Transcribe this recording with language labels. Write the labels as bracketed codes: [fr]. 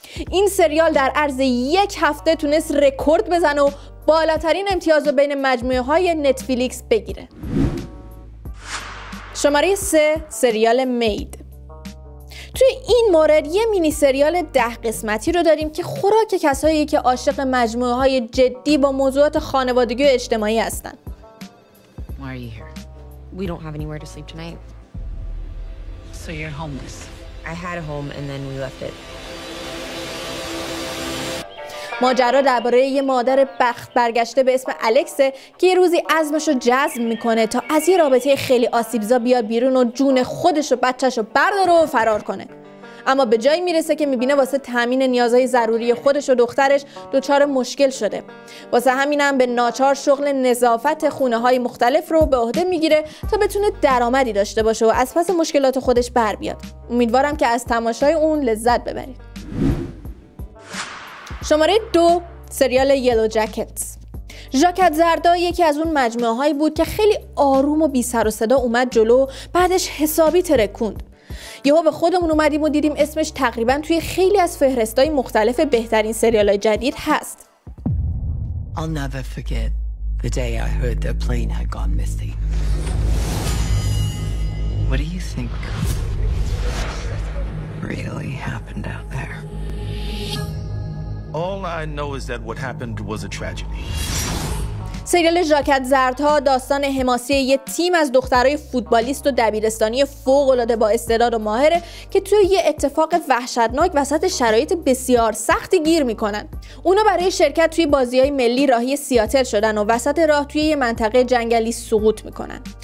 [fa] این سریال در عرض یک هفته تونست رکورد بزنه و بالاترین امتیاز رو بین مجموعه های نتفلیکس بگیره. شماره 3، سریال مید. توی این مورد یه مینی سریال 10 قسمتی رو داریم که خوراک کسایی که عاشق مجموعه های جدی با موضوعات خانوادگی و اجتماعی هستن. [en] Why are you here? We don't have anywhere to sleep tonight. So you're homeless. I had a home and then we left it. [fa] ماجرا درباره یه مادر بخت برگشته به اسم الکس که یه روزی عزمش رو جزم میکنه تا از یه رابطه خیلی آسیبزا بیاد بیرون و جون خودش و بچهش رو برداره و فرار کنه. اما به جایی میرسه که میبینه واسه تامین نیازهای ضروری خودش و دخترش دچار مشکل شده. واسه همینم به ناچار شغل نظافت خونه های مختلف رو به عهده میگیره تا بتونه درآمدی داشته باشه و از پس مشکلات خودش بر بیاد. امیدوارم که از تماشای اون لذت ببرید. شماره 2، سریال یلو جکتس. ژاکت زردا یکی از اون مجموعه هایی بود که خیلی آروم و بی سر و صدا اومد جلو، بعدش حسابی ترکوند. یهو به خودمون اومدیم و دیدیم اسمش تقریبا توی خیلی از فهرست های مختلف بهترین سریال های جدید هست. [en] I'll never forget the day I heard the plane had gone missing. What do you think really happened out there? All I know is that what happened was a tragedy. [fa] سریال ژاکت زردها داستان حماسی یه تیم از دخترای فوتبالیست و دبیرستانی فوق‌العاده با استعداد و ماهره که توی یه اتفاق وحشتناک وسط شرایط بسیار سختی گیر میکنن. اونا برای شرکت توی بازی‌های ملی راهی سیاتل شدن و وسط راه توی یه منطقه جنگلی سقوط میکنن.